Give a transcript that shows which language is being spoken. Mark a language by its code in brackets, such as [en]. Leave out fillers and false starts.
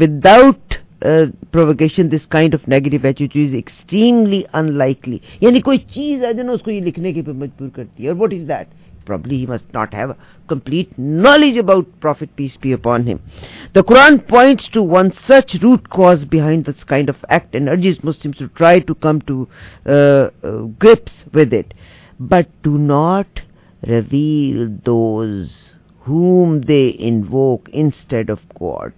[en] Without provocation this kind of negative attitude is extremely unlikely. [ur] یعنی کوئی چیز ہے جنہوں اس کو یہ لکھنے کے پہ مجبور کرتی ہے. اور [en] what is that? Probably he must not have a complete knowledge about Prophet peace be upon him. The Quran points to one such root cause behind this kind of act and urges Muslims to try to come to grips with it. But do not reveal those whom they invoke instead of God.